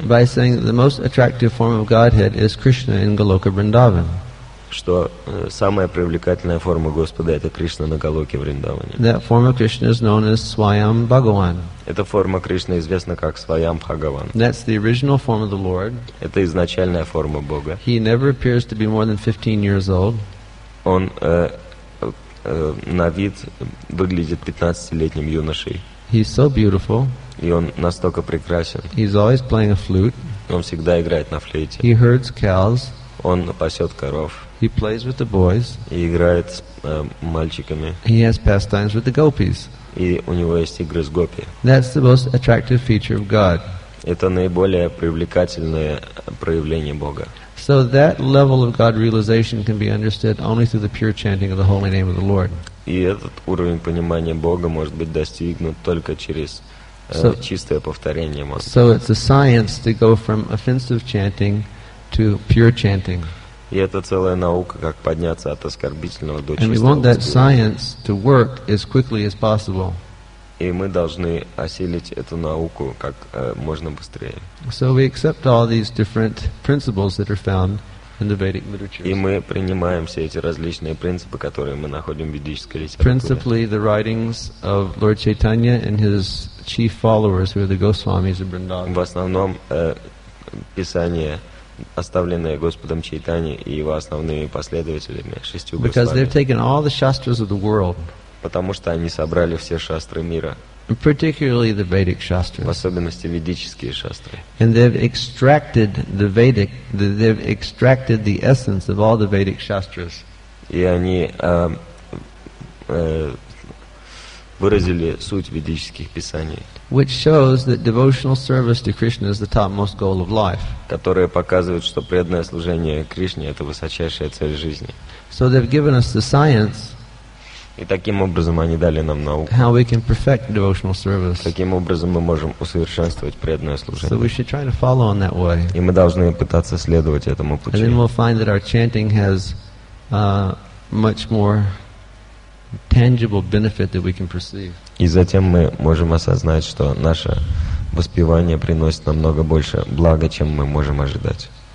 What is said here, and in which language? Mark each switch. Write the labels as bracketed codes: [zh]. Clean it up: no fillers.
[en] By saying that the most attractive form of Godhead is Krishna in Goloka Vrindavan. [ru] Что самая привлекательная форма Господа это Кришна на Голоке Вриндаване. [en] That form of Krishna is known as Swayam Bhagavan. [ru] Эта форма Кришны известна как Swayam Bhagavan. [en] That's the original form of the Lord. [ru] Это изначальная форма Бога. [en] He never appears to be more than 15 years old. [ru] Он на вид выглядит 15-летним юношей. [en] He's so beautiful. [ru] И он настолько прекрасен. [en] He's always playing a flute. [ru] Он всегда играет на флейте. [en] He herds cows. [ru] Он пасет коров. [en] He plays with the boys. [ru] И играет с мальчиками. [en] He has pastimes with the gopis. [ru] И у него есть игры с гопи. [en] That's the most attractive feature of God. [ru] Это наиболее привлекательное проявление Бога. [en] So that level of God realization can be understood only through the pure chanting of the holy name of the Lord. [ru] И этот уровень понимания Бога может быть достигнут только через чистое повторение мантры. [en] So it's a science to go from offensive chanting to pure chanting. [ru] И это целая наука, как подняться от оскорбительного до чистого. [en] And we want that science to work as quickly as possible. [ru] И мы должны осилить эту науку как можно быстрее. [en] So we accept all these different principles that are found in the Vedic literature. [ru] И мы принимаем все эти различные принципы, которые мы находим в ведической литературе. [en] Principally the writings of Lord Chaitanya and his chief followers, who are the Goswamis of Vrindavan. [ru] В основном писание, оставленное Господом Чайтаньей и его основными последователями, шестью Госвами. [en] Because they've taken all the shastras of the world. [ru] потому что они собрали все шастры мира. [en] Particularly the Vedic shastras. [ru] В особенности ведические шастры. [en] And they've extracted the Vedic, they've extracted the essence of all the Vedic shastras. [ru] И они выразили суть ведических писаний. [en] Which shows that devotional service to Krishna is the topmost goal of life. [ru] Которые показывают, что преданное служение Кришне это высочайшая цель жизни. [en] So they've given us the science. [ru] И таким образом они дали нам науку. [en] How we can perfect devotional service. [ru] Таким образом мы можем усовершенствовать преданное служение. [en] So we should try to follow on that way. [ru] И мы должны пытаться следовать этому пути. [en] And then we'll find that our chanting has much more tangible benefit that we can perceive. [ru] И затем мы можем осознать, что наше воспевание приносит намного больше блага, чем мы можем ожидать.